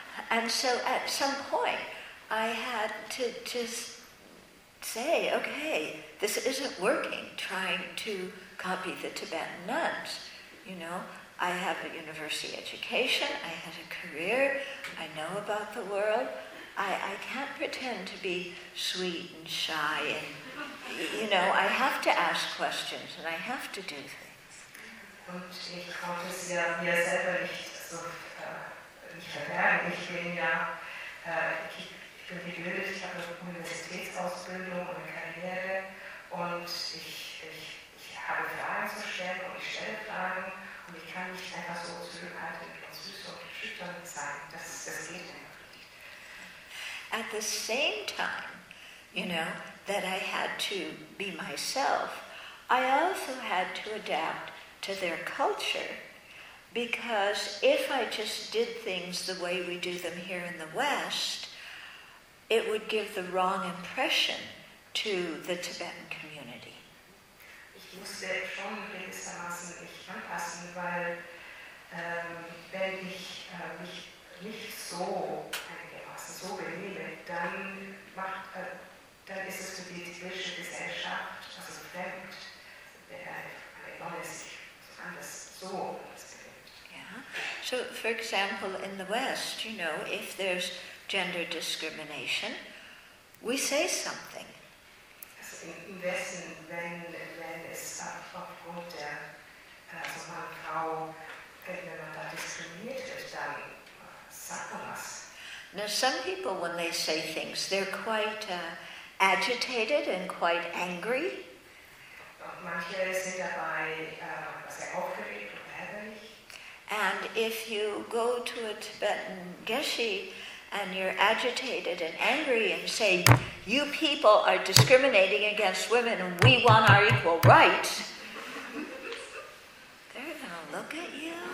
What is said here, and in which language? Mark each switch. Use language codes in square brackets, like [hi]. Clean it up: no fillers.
[en] And so at some point, I had to just say, okay, this isn't working, trying to copy the Tibetan nuns. You know, I have a university education, I had a career, I know about the world. I can't pretend to be sweet and shy and, you know, I have to ask questions and I have to do things. [de] Und ich konnte es ja mir selber nicht so nicht verbergen. Ich bin ja, ich bin gebildet, ich habe eine Universitätsausbildung und eine Karriere und ich habe Fragen zu stellen und ich stelle Fragen und ich kann nicht einfach so zurückhaltend und süß und schüchtern sein. Das geht nicht. [en] At the same time, you know, that I had to be myself, I also had to adapt to their culture, because if I just did things the way we do them here in the West, it would give the wrong impression to the Tibetan community. [de] Ich musste schon gewissermaßen mich anpassen, weil wenn ich mich nicht so so benehme, dann ist es für die tibetische Gesellschaft, also fremd, [en] Yeah. So, for example, in the West, you know, if there's gender discrimination, we say something. [de] Also im Westen, wenn es aufgrund der Frau, wenn man da diskriminiert wird, dann sagt man was. [en] Now, some people, when they say things, they're quite agitated and quite angry. [de] Manche sind dabei sehr aufgeregt und ärgerlich. [en] And if you go to a Tibetan geshe and you're agitated and angry and say, you people are discriminating against women and we want our equal rights, they're going to look at you.